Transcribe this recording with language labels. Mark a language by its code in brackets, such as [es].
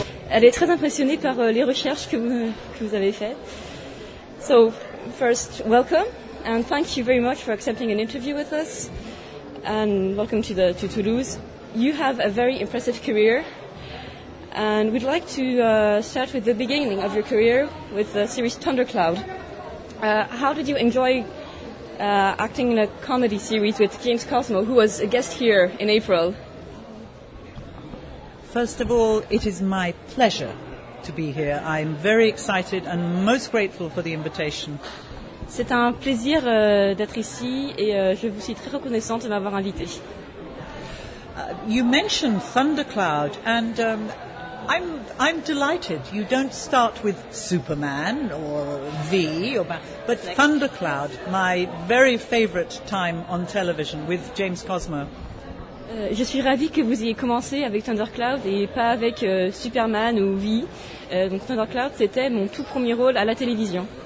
[fr] Elle est très impressionnée par les recherches que vous avez faites. [en] So, first, welcome and thank you very much for accepting an interview with us and welcome to Toulouse. You have a very impressive career. And we'd like to start with the beginning of your career with the series Thundercloud. How did you enjoy acting in a comedy series with James Cosmo, who was a guest here in April? First of all, it is my pleasure to be here. I'm very excited and most grateful for the invitation. [fr] C'est un plaisir d'être ici et je vous suis très reconnaissante de m'avoir invité. [en] You mentioned Thundercloud and... I'm delighted. You don't start with Superman or V, but Thundercloud, my very favorite time on television with James Cosmo. [fr] Je suis ravie que vous ayez commencé avec Thundercloud et pas avec Superman ou V. Donc Thundercloud, c'était mon tout premier rôle à la télévision.